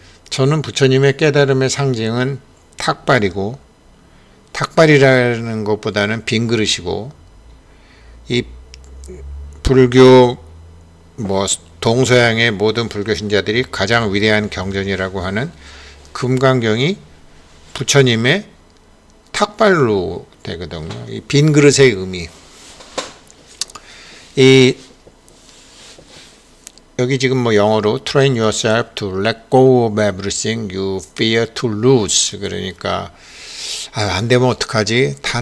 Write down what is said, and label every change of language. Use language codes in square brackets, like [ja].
[ko] 저는 부처님의 깨달음의 상징은 탁발이고, 탁발이라는 것보다는 빈 그릇이고, 이 불교 뭐 동서양의 모든 불교 신자들이 가장 위대한 경전이라고 하는 금강경이 부처님의 탁발로 되거든요. 이 빈 그릇의 의미. 이 여기 지금 뭐 영어로 [en] train yourself to let go of everything you fear to lose. [ko] 그러니까 안 되면 어떡하지?